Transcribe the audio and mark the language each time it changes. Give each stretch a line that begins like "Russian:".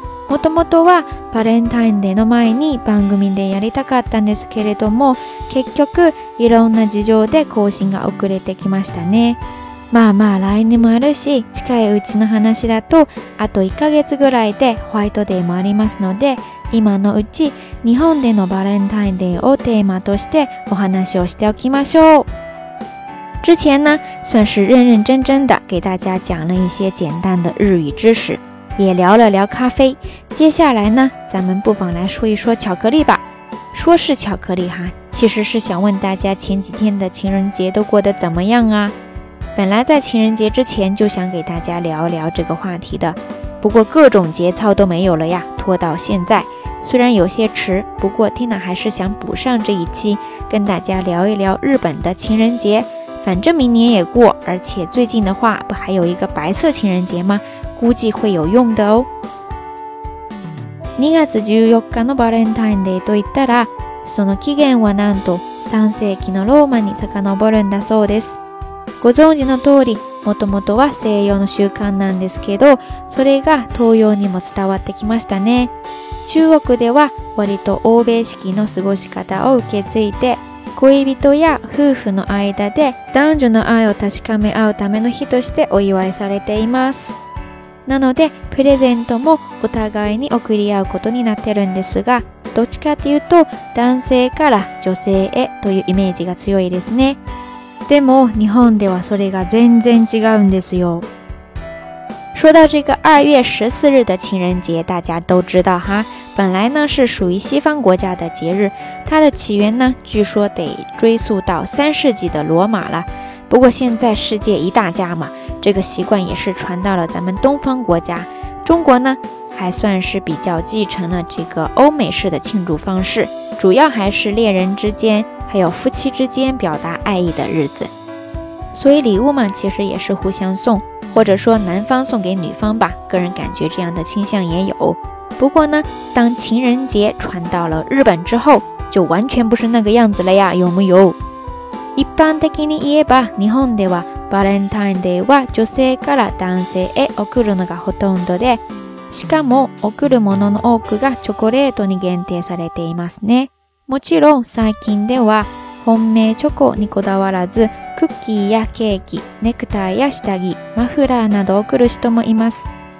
Japanese: もともとはバレンタインデーの前に番組でやりたかったんですけれども、結局いろんな事情で更新が遅れてきましたね。まあまあ来年もあるし、近いうちの話だとあと1ヶ月ぐらいでホワイトデーもありますので、今のうち日本でのバレンタインデーをテーマとしてお話をしておきましょう。
Chinese: 之前呢算是认认真真的给大家讲了一些简单的日语知识，也聊了聊咖啡，接下来呢咱们不妨来说一说巧克力吧。说是巧克力哈，其实是想问大家前几天的情人节都过得怎么样啊。本来在情人节之前就想给大家聊聊这个话题的，不过各种节操都没有了呀，拖到现在。虽然有些迟，不过 Tina 还是想补上这一期，跟大家聊一聊日本的情人节。反正明年也过，而且最近的话不还有一个白色情人节吗？估计会有用的哦。
Japanese: 2月14日のバレンタインデーといったら、その起源はなんと3世紀のローマに遡るんだそうです。ご存知の通り、もともとは西洋の習慣なんですけど、それが東洋にも伝わってきましたね。中国では割と欧米式の過ごし方を受け継いで、恋人や夫婦の間で男女の愛を確かめ合うための日としてお祝いされています。なのでプレゼントもお互いに贈り合うことになってるんですが、どっちかというと男性から女性へというイメージが強いですね。でも日本ではそれが全然違うんですよ。
Chinese: 说到这个2月14日的情人节，大家都知道哈，本来呢是属于西方国家的节日，它的起源呢据说得追溯到三世纪的罗马了。不过现在世界一大家嘛，这个习惯也是传到了咱们东方国家。中国呢还算是比较继承了这个欧美式的庆祝方式，主要还是恋人之间还有夫妻之间表达爱意的日子。所以礼物嘛，其实也是互相送，或者说男方送给女方吧，个人感觉这样的倾向也有。不过呢，当情人节传到了日本之后，就完全不是那个样子了呀，有没有？
Japanese: 一般的に言えば、日本ではバレンタインデーは女性から男性へ送るのがほとんどで、しかも送るものの多くがチョコレートに限定されていますね。もちろん最近では本命チョコにこだわらず、クッキーやケーキ、ネクタイや下着、マフラーなど送る人もいます。